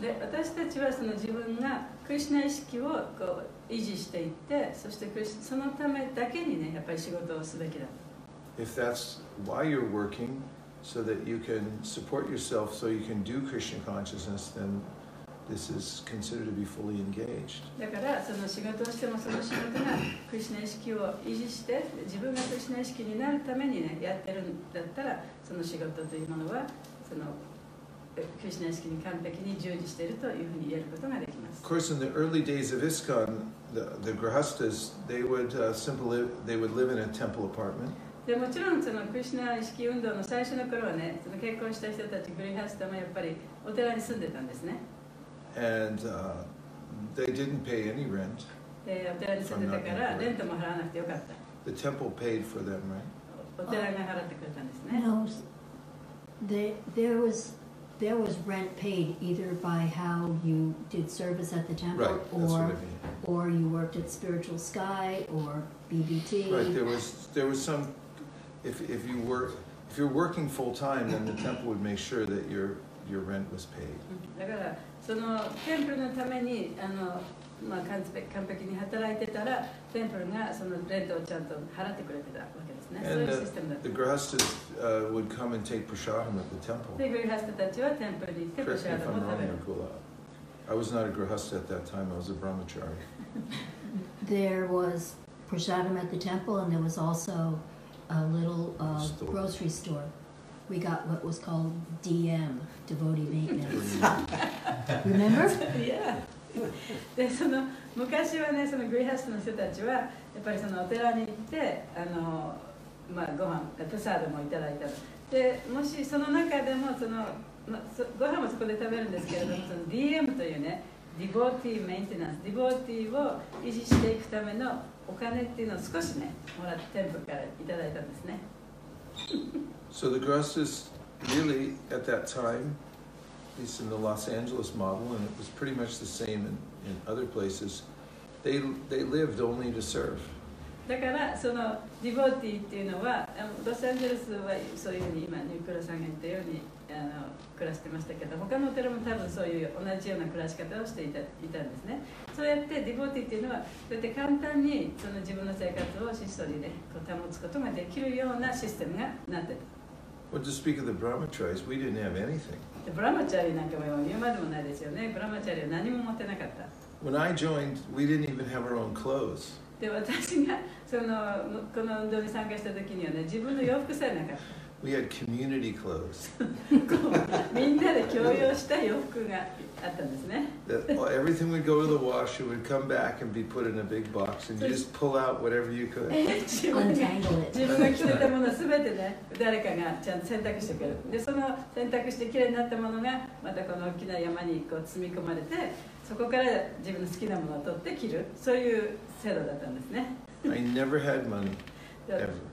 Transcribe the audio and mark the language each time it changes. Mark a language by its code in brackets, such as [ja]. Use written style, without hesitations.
[ja] で、私たちはその自分がクリシュナ意識をこう維持していって、そしてそのためだけにね、やっぱり仕事をすべきだ。 [en] If that's why you're working,so that you can support yourself, so you can do Krishna consciousness, then this is considered to be fully engaged. [ja] だからその仕事をしてもその仕事がクリシュナ意識を維持して自分がクリシュナ意識になるためにねやってるんだったら、その仕事というものはそのクリシュナ意識に完璧に従事しているというふうに言えることができます。 [en] Of course, in the early days of ISKCON, the Grihasthas, they would live in a temple apartment. [ja] でもちろんそのクリシュナ意識運動の最初の頃はね、その結婚した人たちグリハスタもやっぱりお寺に住んでたんですね。 [en] And they didn't pay any rent. [ja] お寺に住んでたからレントも払わなくてよかった。 [en] The temple paid for them, right? [ja] お寺が払ってくれたんですね。 [en] No, there was rent paid either by how you did service at the temple, right, or that's what I mean. Or you worked at Spiritual Sky or BBT. Right, there was some. If you're working full time, then the temple would make sure that your rent was paid. [ja] だからそのテンプルのためにまあ完璧に働いてたらテンプルがそのレントをちゃんと払ってくれてたわけですね。 [en] And、 [ja] そういうシステムだった。 [en] The Grihasthas would come and take prasadam at the temple. [ja] で、グリハスタたちはテンプルに行ってプラシャダムを食べる。 [en] I was not a Grihastha at that time. I was a Brahmachari. There was prasadam at the temple, and there was also. A little store. Grocery store. We got what was called DM, Devotee Maintenance. Remember? Yeah. [ja] でその昔はね、そのグリハスの人たちはやっぱりそのお寺に行って、あの、まあ、ご飯プサードもいただいたので、もしその中でもその、まあ、ご飯もそこで食べるんですけれども、その DM というね、ディボーティーメンテナンス、ディボーティーを維持していくためのお金っていうのを少しね、もらって店舗からいただいたんですね。 [en] So the grossest really at that time, at least in the Los Angeles model, and it was pretty much the same in other places, they lived only to serve. [ja] だからそのディボーティーっていうのは、ロサンゼルスはそういうふうに今ニュークロさんが言ったようにあの暮らしてましたけど、他のお寺も多分そういう同じような暮らし方をしていた、いたんですね。そうやってディボーティーっていうのはそうやって簡単にその自分の生活を質素にね、こう保つことができるようなシステムがなってた。 [en] Well, to speak of the brahmacharis, we didn't have anything. [ja] The brahmachari なんかも言うまでもないですよね。brahmachari は何も持ってなかった。 [en] When I joined, we didn't even have our own clothes. [ja] で、私がそのこの運動に参加した時にはね、自分の洋服さえなかった。 [en] We had community clothes. [ja] みんなで共用した洋服があったんですね。 [en] Well, everything would go to the washer, would come back and be put in a big box, and you just pull out whatever you could. Untangle it. [ja] 自分が着てたものすべてね、誰かがちゃんと洗濯してくれる。で、その洗濯してきれいになったものが、またこの大きな山にこう積み込まれて、そこから自分の好きなものを取って着る。そういう制度だったんですね。 [en] I never had money, ever.